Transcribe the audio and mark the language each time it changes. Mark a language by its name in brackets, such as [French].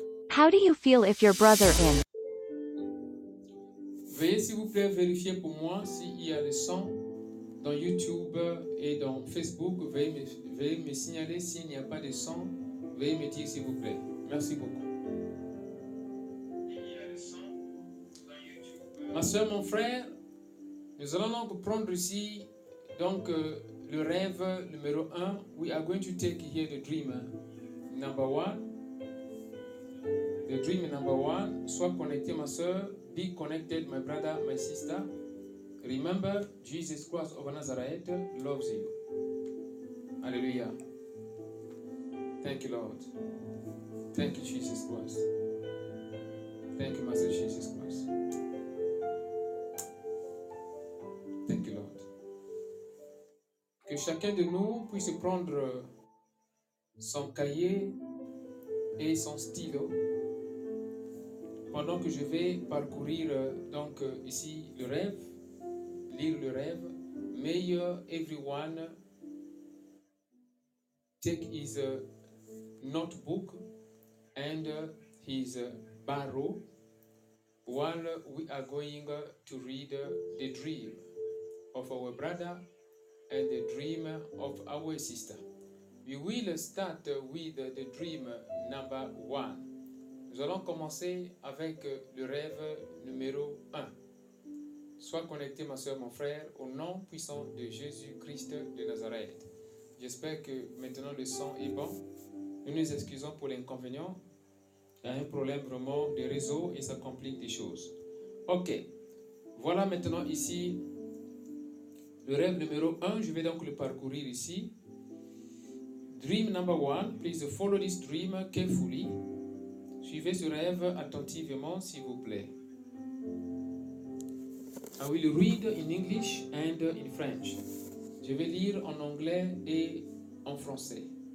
[English] How do you feel if your brother in? [French] Veuillez s'il vous plaît vérifier pour moi s'il y a le son dans YouTube et dans Facebook. Veuillez me signaler s'il n'y a pas de son. Veuillez me dire s'il vous plaît. Merci beaucoup. Ma soeur, mon frère, nous allons donc prendre ici donc le rêve numéro 1. [English] We are going to take here the dream number 1. The dream number 1. [French] Sois connecté, ma soeur. [English] Be connected, my brother, my sister. Remember, Jesus Christ of Nazareth loves you. Hallelujah. Thank you, Lord. Thank you, Jesus Christ. Thank you, Master Jesus Christ. Thank you, Lord. [French] Que chacun de nous puisse prendre son cahier et son stylo. Pendant que je vais parcourir donc ici le rêve, [English] lire le rêve, may everyone take his notebook and his barrow while we are going to read the dream of our brother and the dream of our sister. We will start with the dream number one. [French] Nous allons commencer avec le rêve numéro 1. Sois connecté, ma soeur, mon frère, au nom puissant de Jésus-Christ de Nazareth. J'espère que maintenant le son est bon. Nous nous excusons pour l'inconvénient. Il y a un problème vraiment de réseau et ça complique des choses. Ok, voilà maintenant ici le rêve numéro 1. Je vais donc le parcourir ici. [English] Dream number 1, please follow this dream carefully. [French] Suivez ce rêve attentivement, s'il vous plaît. [English] I will read in English and in French. [French] Je vais lire en anglais et en français.